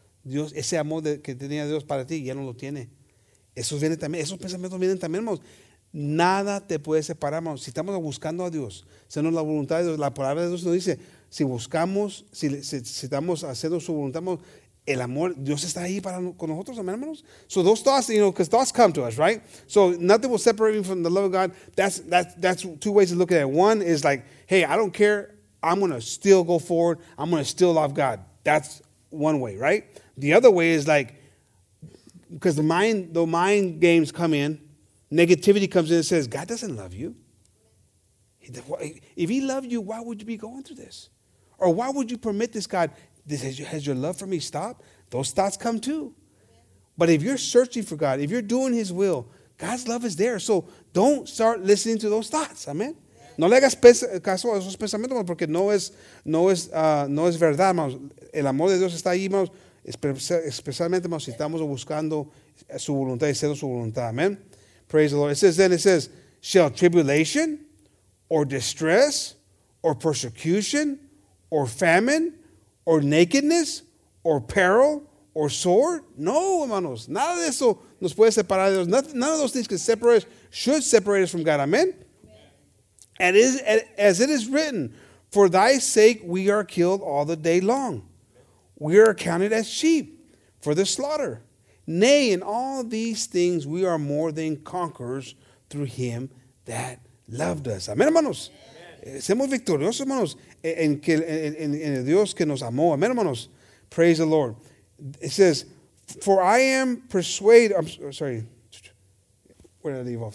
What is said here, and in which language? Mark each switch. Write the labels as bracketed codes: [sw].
[es] Dios, ese amor que tenía Dios para ti ya no lo tiene. Eso viene también, esos pensamientos vienen también, hermanos. Nada te puede separar, hermanos. Si estamos buscando a Dios, sino la voluntad de Dios, la palabra de Dios nos dice, si buscamos, si estamos haciendo su voluntad, hermanos, el amor, Dios está ahí para con nosotros, amén, hermanos. [en] So those thoughts, you know, because thoughts come to us, right? So nothing will separate me from the love of God. That's two ways to look at it. One is like, hey, I don't care. I'm going to still go forward. I'm going to still love God. That's one way, right? The other way is like, because the mind games come in, negativity comes in and says, God doesn't love you. If he loved you, why would you be going through this? Or why would you permit this, God? This has your love for me stopped? Those thoughts come too. But if you're searching for God, if you're doing his will, God's love is there. So don't start listening to those thoughts. Amen. [es] No le hagas caso a esos pensamientos porque no es verdad, hermanos. El amor de Dios está ahí, hermanos, especialmente, hermanos, si estamos buscando su voluntad y siendo su voluntad. [en] Amen. Praise the Lord. It says, shall tribulation or distress or persecution or famine or nakedness or peril or sword? [es] No, hermanos. Nada de eso nos puede separar de Dios. [en] None of those things should separate us from God. Amen. And as it is written, for thy sake we are killed all the day long. We are accounted as sheep for the slaughter. Nay, in all these things we are more than conquerors through him that loved us. [es] Amén, hermanos. Amen. Semos victoriosos, hermanos, en el Dios que nos amó. Amén, hermanos. [en] Praise the Lord. It says, for I am persuaded, I'm sorry, where did I leave off?